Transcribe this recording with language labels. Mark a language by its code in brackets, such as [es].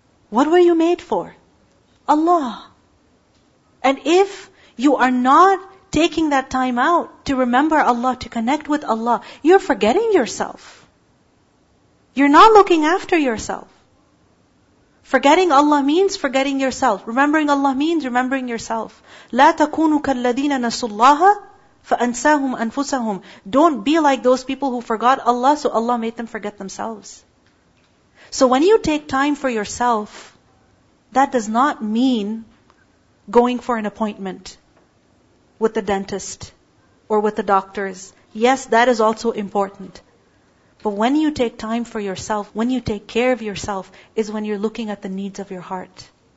[en] What were you made for? Allah. And if you are not taking that time out to remember Allah, to connect with Allah, you're forgetting yourself. You're not looking after yourself. Forgetting Allah means forgetting yourself. Remembering Allah means remembering yourself. [ar] لا تكونوا كالذين نسوا الله فَأَنْسَاهُمْ أَنْفُسَهُمْ. [en] Don't be like those people who forgot Allah, so Allah made them forget themselves. So when you take time for yourself, that does not mean going for an appointment with the dentist or with the doctors. Yes, that is also important. But when you take time for yourself, when you take care of yourself, is when you're looking at the needs of your heart.